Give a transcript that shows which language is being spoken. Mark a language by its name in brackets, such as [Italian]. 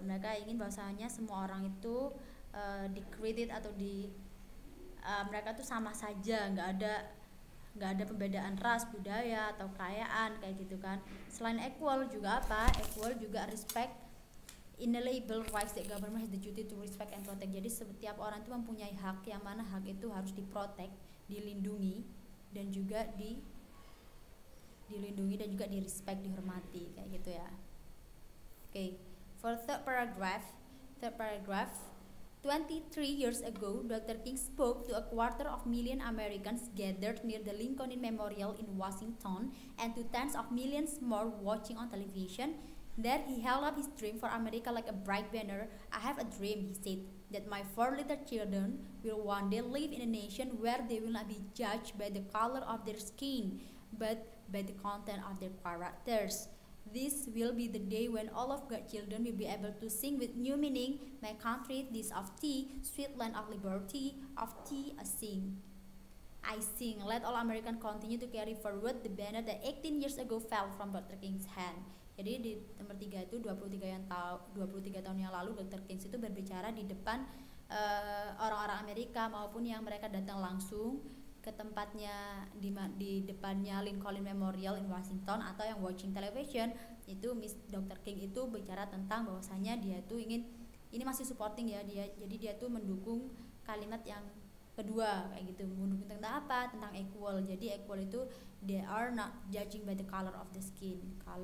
[Indonesian] Mereka ingin bahwasanya semua orang itu di-created atau di mereka tuh sama saja, enggak ada pembedaan ras, budaya atau kekayaan kayak gitu kan. Selain equal juga apa? Equal juga respect. [English] Inalienable rights that government has the duty to respect and protect. [Indonesian] Jadi setiap orang itu mempunyai hak yang mana hak itu harus diprotek, dilindungi dan juga dilindungi dan juga di respect, dihormati kayak gitu ya. [English] Oke, okay. For third paragraph, 23 years ago, Dr. King spoke to a quarter of million Americans gathered near the Lincoln Memorial in Washington and to tens of millions more watching on television. There he held up his dream for America like a bright banner. I have a dream, he said, that my four little children will one day live in a nation where they will not be judged by the color of their skin, but by the content of their characters. This will be the day when all of God's children will be able to sing with new meaning, my country, this of thee, sweet land of liberty, of thee, I sing, let all Americans continue to carry forward the banner that 18 years ago fell from Dr. King's hand. [Indonesian] Jadi di nomor 3 itu 23 tahun yang lalu Dr. King itu berbicara di depan orang-orang Amerika maupun yang mereka datang langsung ke tempatnya di depannya Lincoln Memorial in Washington atau yang [English] watching television, [Indonesian] itu Miss Dr. King itu bicara tentang bahwasanya dia itu ingin, ini masih supporting ya dia, jadi dia itu mendukung kalimat yang kedua kayak gitu, mendukung tentang apa, tentang equal. Jadi equal itu [English] they are not judging by the color of skin.